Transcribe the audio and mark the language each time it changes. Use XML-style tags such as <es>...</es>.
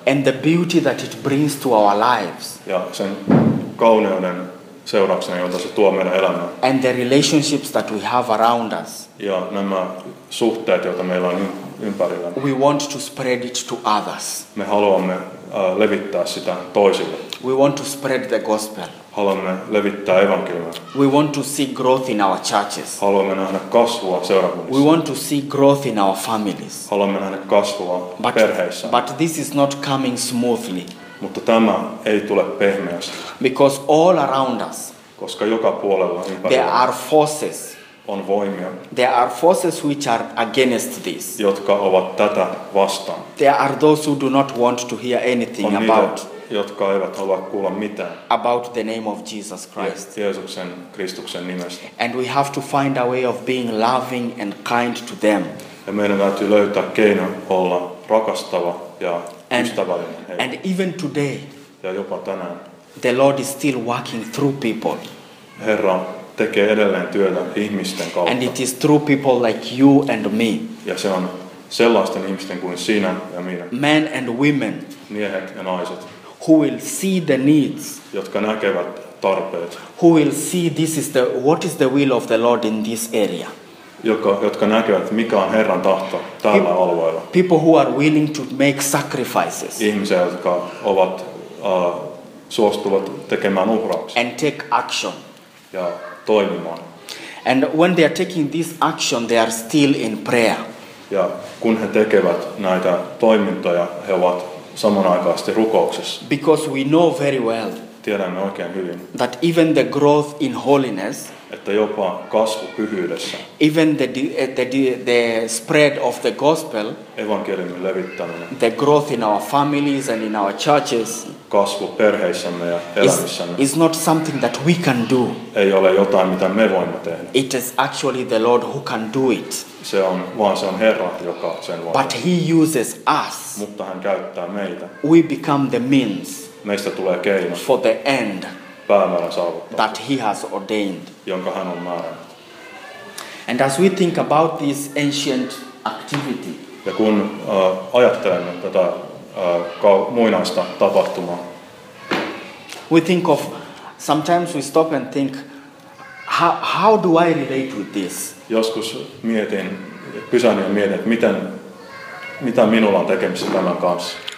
<en>And the beauty that it brings to our lives.</en> <fi>Ja sen kauneuden seurauksena, jota se tuo meidän elämään.</fi> <en>And the relationships that we have around us.</en> <fi>Ja nämä suhteet, joita meillä on ympärillä.</fi> <en>We want to spread it to others.</en> <fi>Me haluamme levittää sitä toisille.</fi> <en>We want to spread the gospel.</en> <fi>Haluamme levittää evankeliumia.</fi> <en>We want to see growth in our churches.</en> <fi>Haluamme nähdä kasvua seurakunnissa.</fi> <en>We want to see growth in our families.</en> <fi>Haluamme nähdä kasvua perheissä.</fi> <en>But this is not coming smoothly.</en> <fi>Mutta tämä ei tule pehmeästi.</fi> <en>Because all around us.</en> <fi>Koska joka puolella ympärillä.</fi> <en>There are forces.</en> <fi>On voimia.</fi> <en>There are forces which are against this.</en> <fi>Jotka ovat tätä vastaan.</fi> <en>There are those who do not want to hear anything</en> <fi>on</fi> <en>about.</en> <fi>Niitä, jotka eivät halua kuulla mitään.</fi> <en>About the name of Jesus Christ.</en> <fi>Jeesuksen Kristuksen nimestä.</fi> <en>And we have to find a way of being loving and kind to them.</en> <fi>Ja meidän täytyy löytää keino olla rakastava ja ystävällinen heille.</fi> <en>And even today.</en> <fi>Ja jopa tänään.</fi> <en>The Lord is still working through people.</en> <fi>Herra tekee edelleen työtä ihmisten kautta.</fi> <en>And it is through people like you and me.</en> <fi>Ja se on sellaisten ihmisten kuin sinä ja minä.</fi> <en>Men and women.</en> <fi>Miehet ja naiset.</fi> <en>Who will see the needs.</en> <fi>Jotka näkevät tarpeet.</fi> <en>Who will see this is the what is the will of the Lord in this area.</en> <fi>Jotka näkevät mikä on Herran tahto tällä alueella.</fi> <en>People who are willing to make sacrifices.</en> <fi>Ihmisiä jotka ovat suostuvat tekemään uhrauksia.</fi> <en>And take action.</en> <fi>Ja toimimaan.</fi> <en>And when they are taking this action they are still in prayer.</en> <fi>Ja kun he tekevät näitä toimintoja, he ovat samanaikaisesti rukouksessa.</fi> <en>Because we know very well.</en> <fi>Tiedämme oikein hyvin.</fi> <en>That even the growth in holiness.</en> <fi>Että jopa kasvu pyhyydessä.</fi> <en>Even the spread of the gospel.</en> <fi>Evankeliumin levittäminen.</fi> <en>The growth in our families and in our churches.</en> <fi>Kasvu perheissämme ja elämissämme.</fi> <en>Is not something that we can do.</en> <fi>Ei ole jotain mitä me voimme tehdä.</fi> <en>It is actually the Lord who can do it.</en> <fi>Se on Herra joka sen voi.</fi> <en>But he uses us.</en> <fi>Mutta hän käyttää meitä.</fi> <en>We become the means.</en> <fi>Meistä tulee keino.</fi> <en>For the end.</en> <fi>Päämäärän saavuttaa.</fi> <en>That he has ordained.</en> <fi>Jonka hän on määrännyt.</fi> <en>And as we think about this ancient activity.</en> <fi>Ja kun ajattelemme tätä muinaista tapahtumaa.</fi> <en>We think of sometimes we stop and think how do I relate with this?</en> <fi>Joskus mietin pysähdyin mietin että mitä minulla on tekemistä tämän kanssa.</fi>